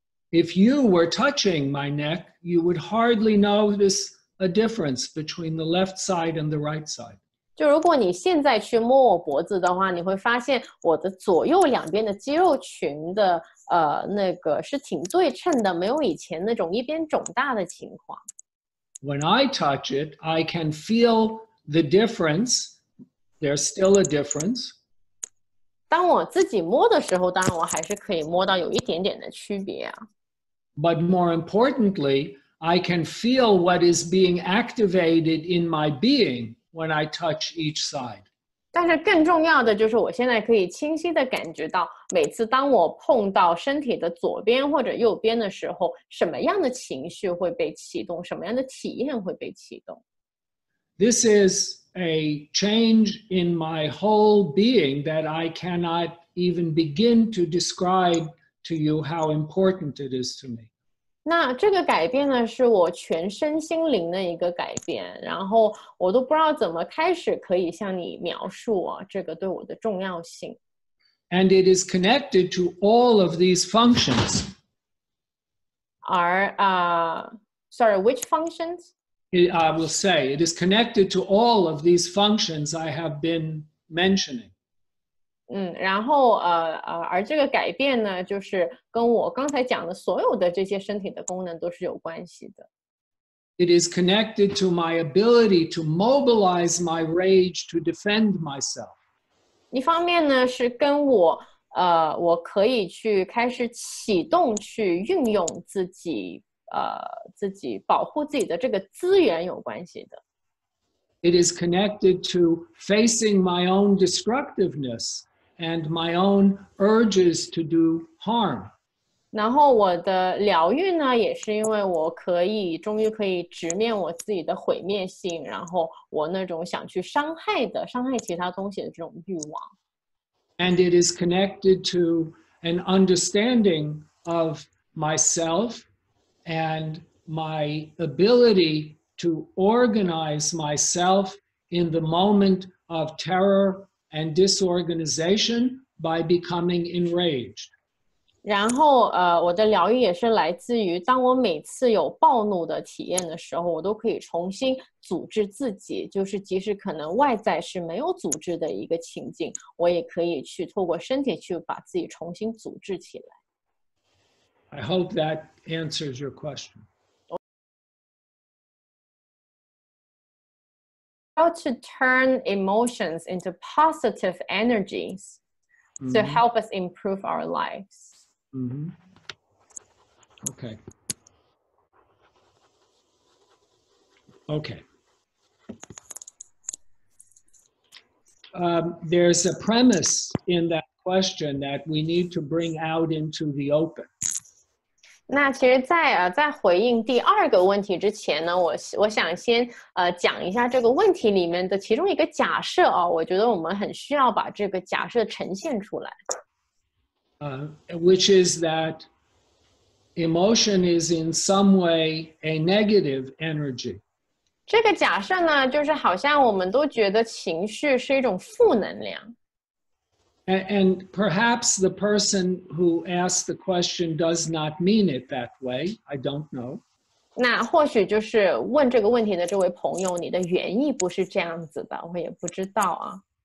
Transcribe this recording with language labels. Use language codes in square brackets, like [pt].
[en] If you were touching my neck, you would hardly notice a difference between the left side and the right side. [zh] 就如果你现在去摸我脖子的话，你会发现我的左右两边的肌肉群的那个是挺对称的，没有以前那种一边肿大的情况。 [en] When I touch it, I can feel the difference. There's still a difference. [zh] 当我自己摸的时候，当然我还是可以摸到有一点点的区别啊。 [en] But more importantly, I can feel what is being activated in my being when I touch each side. [zh] 但是更重要的就是我现在可以清晰的感觉到每次当我碰到身体的左边或者右边的时候什么样的情绪会被启动什么样的体验会被启动 [en] This is a change in my whole being that I cannot even begin to describe to you how important it is to me [zh] 那这个改变呢是我全身心灵的一个改变然后我都不知道怎么开始可以向你描述啊这个对我的重要性 [en] And it is connected to all of these functions. Which functions? I will say, it is connected to all of these functions I have been mentioning. [zh] 然后而这个改变呢，就是跟我刚才讲的所有的这些身体的功能都是有关系的。 [en] It is connected to my ability to mobilize my rage to defend myself. [zh] 一方面呢是跟我可以去开始启动去运用自己保护自己的这个资源有关系的。 [en] It is connected to facing my own destructiveness and my own urges to do harm. [zh] 然后我的疗愈呢也是因为我可以终于可以直面我自己的毁灭性然后我那种想去伤害其他东西的这种欲望。 [en] And it is connected to an understanding of myself and my ability to organize myself in the moment of terror and disorganization by becoming enraged. [zh] 然后我的疗愈也是来自于当我每次有暴怒的体验的时候我都可以重新组织自己就是即使可能外在是没有组织的一个情境我也可以去透过身体去把自己重新组织起来 [en] I hope that answers your question 我 How to turn emotions into positive energies to help us improve our lives Mm-hmm. Okay. Okay. There's a premise in that question that we need to bring out into the open. [zh] 那其实在回应第二个问题之前呢，我想先讲一下这个问题里面的其中一个假设啊，我觉得我们很需要把这个假设呈现出来。 [en] Which is that emotion is in some way a negative energy. [zh] 这个假设呢，就是好像我们都觉得情绪是一种负能量。 [en] And perhaps the person who asked the question does not mean it that way. I don't know. [zh] 那或许就是问这个问题的这位朋友，你的原意不是这样子的，我也不知道啊。